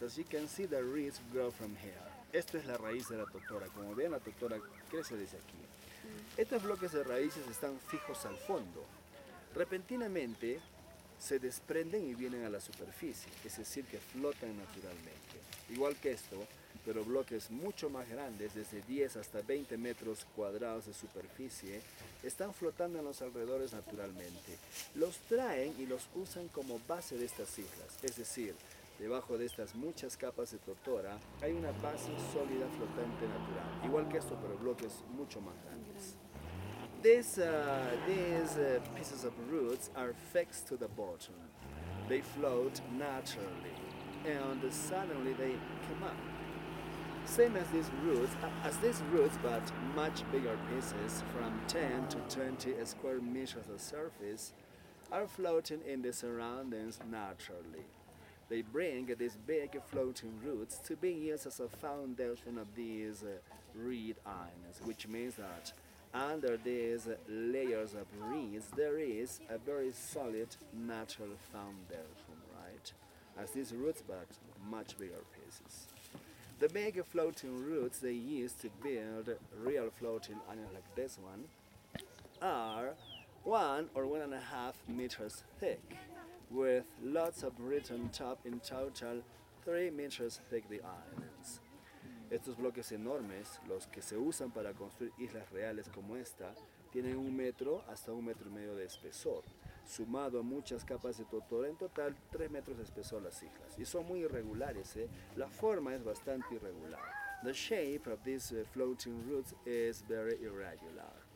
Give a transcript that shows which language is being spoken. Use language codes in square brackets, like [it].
[en] As you can see, the reeds grow from here. [es] Esta es la raíz de la totora. Como vean, la totora crece desde aquí. Estos bloques de raíces están fijos al fondo. Repentinamente se desprenden y vienen a la superficie, es decir, que flotan naturalmente. Igual que esto, pero bloques mucho más grandes, desde 10 hasta 20 metros cuadrados de superficie, están flotando en los alrededores naturalmente. Los traen y los usan como base de estas islas, es decir, debajo de estas muchas capas de totora hay una base sólida flotante natural, igual que esto, pero bloques mucho más grandes. [en] These pieces of roots are fixed to the bottom. They float naturally, and suddenly they come up. Same as these roots, but much bigger pieces, from 10 to 20 square meters of surface, are floating in the surroundings naturally. They bring these big floating roots to be used as a foundation of these reed islands, which means that under these layers of reeds, there is a very solid natural foundation, right? As these roots, but much bigger pieces. The big floating roots they use to build real floating islands like this one are 1 or 1.5 meters thick, with lots of reeds on top, in total 3 meters thick, the islands. [es] Estos bloques enormes, los que se usan para construir islas reales como esta, tienen 1 metro hasta 1.5 metros de espesor. Sumado a muchas capas de totora, en total 3 metros de espesor las islas. Y son muy irregulares, ¿eh? La forma es bastante irregular. [en] The shape of these floating roots is very irregular.